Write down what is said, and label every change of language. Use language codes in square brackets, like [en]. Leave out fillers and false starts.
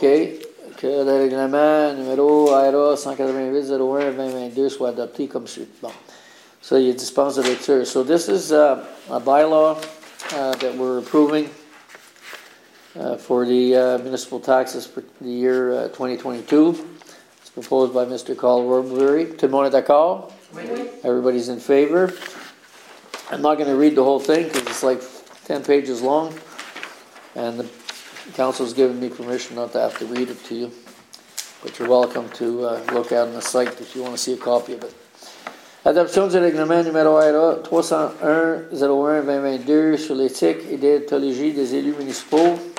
[fr] Que le règlement numéro IRA 188-01-2022 soit adopté comme suit. Bon. [en] So, you [fr] dispense de lecture. [en] So, this is a bylaw that we're approving for the municipal taxes for the year 2022. It's proposed by Mr. Carl Robbery. [fr] Tout le monde est d'accord? Oui. [en] Everybody's in favor. I'm not going to read the whole thing because it's like 10 pages long. And the Council's given me permission not to have to read it to you, but you're welcome to look out on the site if you want to see a copy of it. [fr] Adoption du règlement numéro IRA 301-01-2022 sur l'éthique et déontologie des élus municipaux.